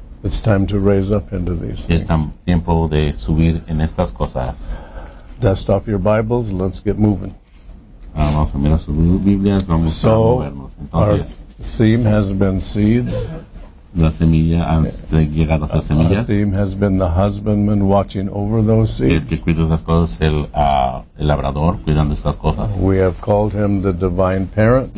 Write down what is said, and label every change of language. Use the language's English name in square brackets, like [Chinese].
[English] It's time to raise up into these things. [Spanish] Es tiempo de subir en estas cosas. [English] Dust off your Bibles. Let's get moving. [Spanish] Vamos a mirar sus Biblias. Vamos [English] so, [Spanish] a movernos. Entonces, [English] our theme has been seeds. [Spanish] La semilla han llegado a ser semillas. [English] Our theme has been the husbandman watching over those seeds. [Spanish] El que cuida estas cosas, el labrador cuidando estas cosas. [English] We have called him the divine parent.